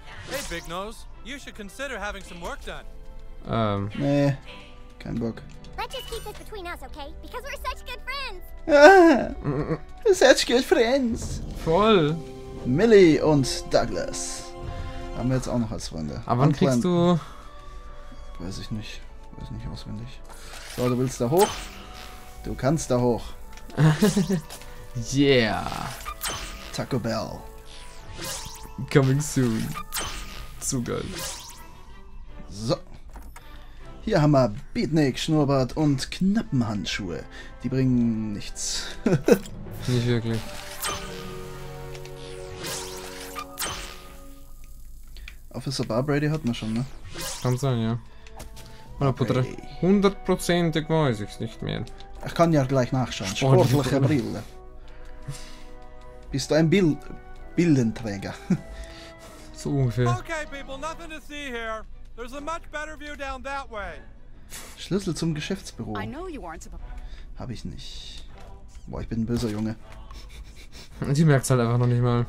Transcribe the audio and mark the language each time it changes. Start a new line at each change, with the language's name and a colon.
English: Hey Big Nose, you should consider having some work done.
German: Nee, kein Bock.
English: Let's just keep this between us, okay? Because we're such good friends. Such good friends.
German: Voll. Millie und Douglas haben wir jetzt auch noch als Freunde. Aber wann kriegst du? Weiß ich nicht. Weiß nicht auswendig. So, du willst da hoch? Du kannst da hoch.
English: Yeah. Taco Bell. Coming soon.
German: Zu geil. So. Hier haben wir Beatnik, Schnurrbart und Knappenhandschuhe. Die bringen nichts. Nicht wirklich. Officer Bar Brady hat man schon, ne? Kann sein, ja. 100% weiß ich's nicht mehr. Ich kann ja gleich nachschauen. Sportliche Brille. Bist du ein Bildenträger? So ungefähr.
English: Okay, people, nothing to see here. There's a much better view down that way.
German: Schlüssel zum Geschäftsbüro. Hab ich nicht. Boah, ich bin ein böser Junge. Die merkt's halt einfach noch nicht mal.